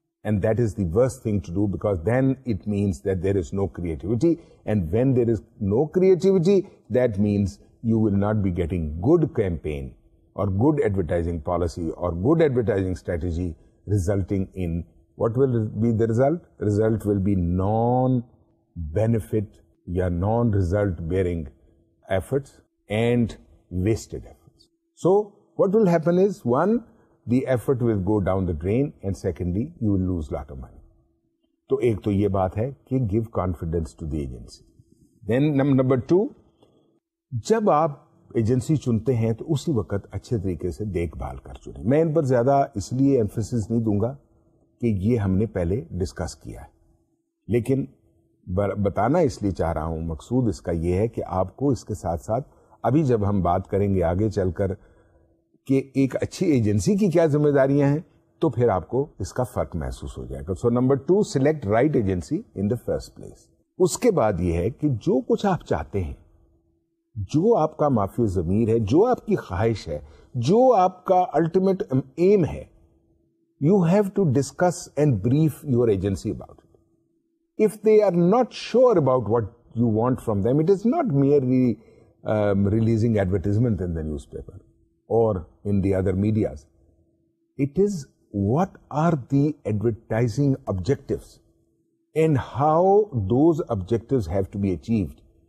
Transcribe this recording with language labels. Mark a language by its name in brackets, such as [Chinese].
[English] And that is the worst thing to do, because then it means that there is no creativity, and when there is no creativity that means you will not be getting good campaign or good advertising policy or good advertising strategy, resulting in what will be the result? Result will be non benefit یا non result bearing efforts and wasted efforts. So what will happen is, one, the effort will go down the drain, and secondly you will lose lot of money. [Urdu] To ek to ye baat hai ki [English] give confidence to the agency. Then number two, [Urdu] jab aap agency chunte hain to usi waqt acche tarike se dekhbhal kar chune. Main par zyada isliye emphasis nahi dunga ki ye humne pehle discuss kiya hai, lekin بتانا اس لیے چاہ رہا ہوں. مقصود اس کا یہ ہے کہ آپ کو اس کے ساتھ ساتھ ابھی جب ہم بات کریں گے آگے چل کر کہ ایک اچھی ایجنسی کی کیا ذمہ داریاں ہیں, تو پھر آپ کو اس کا فرق محسوس ہو جائے گا. [English] So number two, select right agency in the first place. [Urdu] اس کے بعد یہ ہے کہ جو کچھ آپ چاہتے ہیں, جو آپ کا مافی ضمیر ہے, جو آپ کی خواہش ہے, جو آپ کا الٹیمیٹ ایم ہے, [English] You have to discuss and brief your agency about. If they are not sure about what you want from them, it is not merely releasing advertisement in the newspaper or in the other medias. It is what are the advertising objectives and how those objectives have to be achieved.